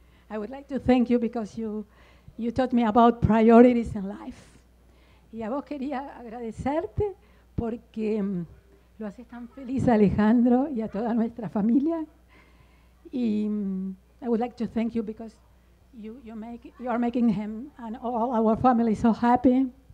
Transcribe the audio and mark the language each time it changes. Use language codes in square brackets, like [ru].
[en] I would like to thank you because you taught me about priorities in life. [es] Y a vos quería agradecerte porque lo haces tan feliz, Alejandro, y a toda nuestra familia. [en] Y I would like to thank you because you are making him and all our family so happy.